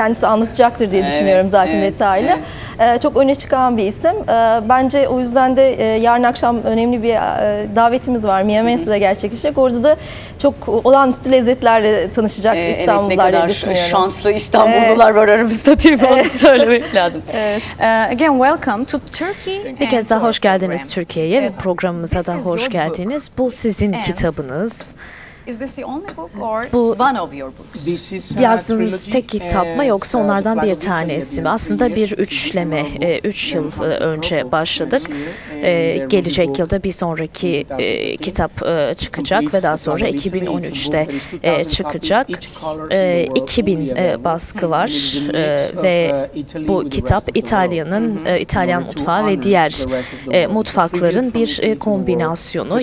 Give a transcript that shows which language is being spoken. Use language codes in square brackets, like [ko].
[tr] Kendisi anlatacaktır diye düşünüyorum zaten detaylı. Çok öne çıkan bir isim. Bence o yüzden de yarın akşam önemli bir davetimiz var. Miami'de gerçekleşecek. Orada da çok olağanüstü lezzetlerle tanışacak İstanbullular diye düşünüyorum. Evet, ne kadar şanslı İstanbullular var aramızda diye bunu söylemek lazım. [en] Again, welcome to Turkey. [tr] Bir kez daha hoş geldiniz Türkiye'ye. Programımıza da hoş geldiniz. Bu sizin kitabınız. [en] Is this the only book or [tr] bu, [en] one of your books? This is [tr] a yazdığınız trilogy, tek kitap mı yoksa onlardan bir tanesi mi? Aslında bir üçleme, 3 yıl önce başladık. Gelecek yılda bir sonraki kitap çıkacak ve daha sonra 2013'te çıkacak. 2000 baskı var ve bu kitap İtalya'nın, İtalyan mutfağı ve diğer mutfakların bir kombinasyonu.